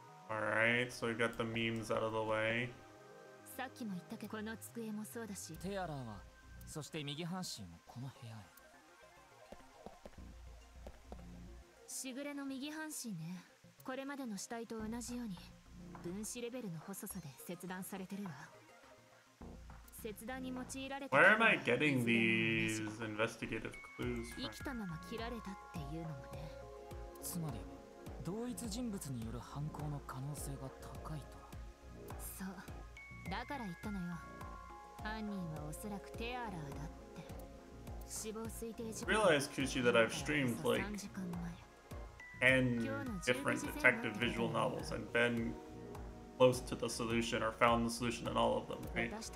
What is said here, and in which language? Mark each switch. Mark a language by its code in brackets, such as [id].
[en] Alright, so we got the memes out of the way. [ja] さっきも言ったけど、この机もそうだし。テアラーは、そして右半身もこの部屋へ。シグレの右半身ね。これまでの死体と同じように分子レベルの細さで切断されてるわ。切断に用いられた。 [en] Where am I getting these investigative clues from? [ja] 生きたまま切られたっていうのもね。つまり同一人物による犯行の可能性が高いと。そう、だから言ったのよ。犯人はおそらくテアラーだって。死亡推定時刻。 [en] Realize, Kushi, that I've streamed like N different detective visual novels and been close to the solution or found the solution in all of them, right?